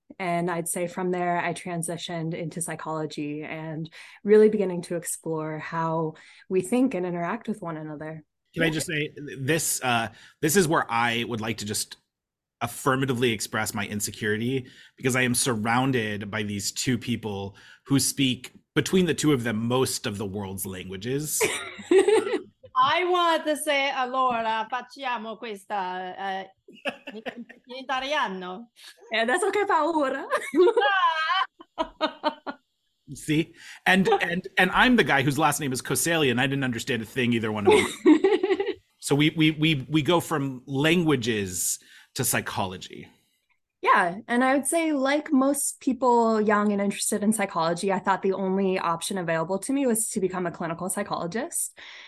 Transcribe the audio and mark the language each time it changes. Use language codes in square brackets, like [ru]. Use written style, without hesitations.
[en] And I'd say from there, I transitioned into psychology and really beginning to explore how we think and interact with one another. Can I just say, this is where I would like to just affirmatively express my insecurity because I am surrounded by these two people who speak, between the two of them, most of the world's languages. I want to say, [it] allora, facciamo questa in italiano. Adesso che paura. [en] See? And I'm the guy whose last name is Coseglia, and I didn't understand a thing either one of them. So we go from languages to psychology. Yeah. And I would say, like most people young and interested in psychology, I thought the only option available to me was to become a clinical psychologist.